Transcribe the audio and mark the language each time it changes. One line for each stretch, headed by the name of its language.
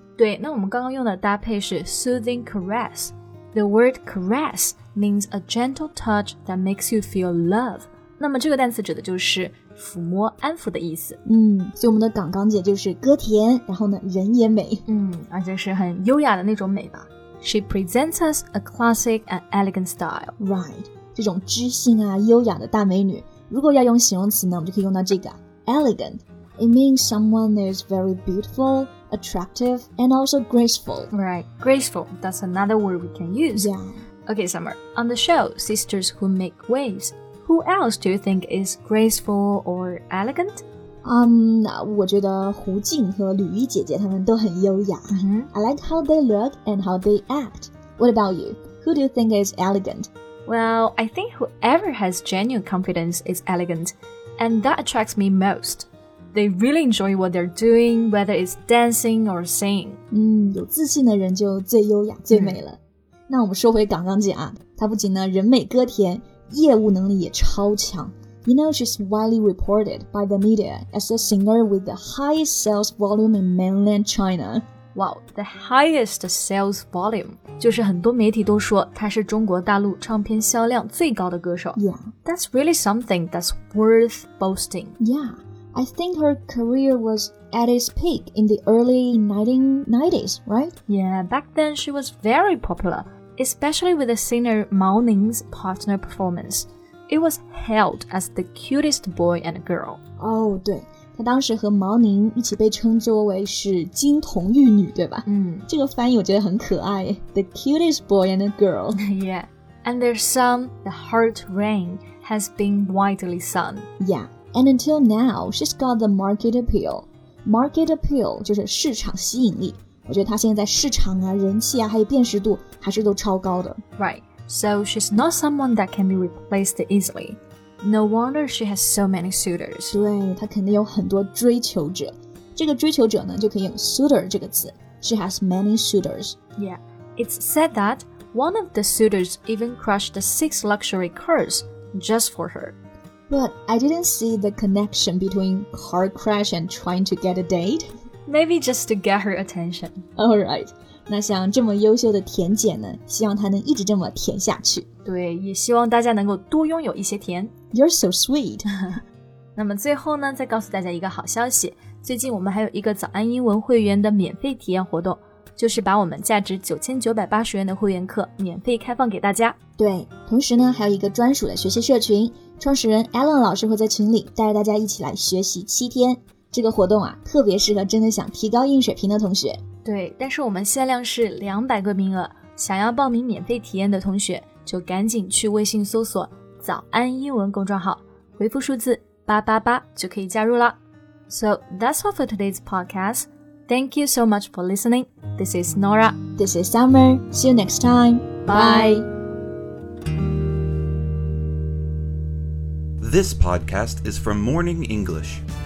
Chinese: 对，那我们刚刚用的搭配是 soothing caress.
English: The word caress means a gentle touch that makes you feel love.
Chinese: 那么这个单词指的就是抚摸安抚的意思。嗯，所以我们的港港姐就是歌甜，然后呢人也美。嗯，而且是很优雅的那种美吧。
English: She presents us a classic and elegant style.
Chinese: Right, 这种知性啊优雅的大美女。如果要用形容词呢，我们就可以用到这个 elegant.
English: It means someone is very beautiful. Attractive and also graceful. Right, graceful. That's another word we can use. Yeah. Okay, Summer. On the show, Sisters Who Make Waves, who else do you think is graceful or elegant?
Chinese: 我觉得胡静和吕玉姐姐她们都很优雅。 Mm-hmm.
English: I like how they look and how they act. What about you? Who do you think is elegant? Well, I think whoever has genuine confidence is elegant, and that attracts me most. They really enjoy what they're doing, whether it's dancing or singing.
Chinese: 有自信的人就最优雅、最美了。那我们说回港港姐啊，她不仅呢人美歌甜，业务能力也超强。
English: You know, she's widely reported by the media as a singer with the highest sales volume in mainland China. Wow, the highest sales volume.
Chinese: 就是很多媒体都说她是中国大陆唱片销量最高的歌手。
English: Yeah. That's really something that's worth boasting. Yeah. I think her career was at its peak in the early 1990s, right? Yeah, back then she was very popular, especially with the singer Mao Ning's partner performance. It was hailed as the cutest boy and girl.
Chinese: Oh, 对，她当时和毛宁一起被称作为是金童玉女，对吧？这个翻译我觉得很可爱，
English: the cutest boy and girl. Yeah, and their song, The Heart Rain, has been widely sung. Yeah. And until now, she's got the market appeal.
Chinese: Market appeal 就是市场吸引力。我觉得她现在在市场啊、人气啊、还有辨识度还是都超高的。
English: Right. So she's not someone that can be replaced easily. No wonder she has so many suitors.
Chinese: 对，她肯定有很多追求者。这个追求者呢，就可以用 suitor 这个词。
English: She has many suitors. Yeah. It's said that one of the suitors even crushed the 6 luxury cars just for her. But I didn't see the connection between car crash and trying to get a date. Maybe just to get her attention.
Chinese: Alright, 那像这么优秀的甜姐呢，希望她能一直这么甜下去。对，也希望大家能够多拥有一些甜。
English: You're so sweet.
Chinese: 那么最后呢，再告诉大家一个好消息，最近我们还有一个早安英文会员的免费体验活动。就是把我们价值9980元的会员课免费开放给大家。对，同时呢，还有一个专属的学习社群，创始人 Alan 老师会在群里带着大家一起来学习7天。这个活动啊，特别适合真的想提高英语水平的同学。对，但是我们限量是200个名额，想要报名免费体验的同学，就赶紧去微信搜索“早安英文”公众号，回复数字888就可以加入了。
English: So that's all for today's podcast. Thank you so much for listening. This is Nora. This is Summer. See you next time. Bye. This podcast is from Morning English.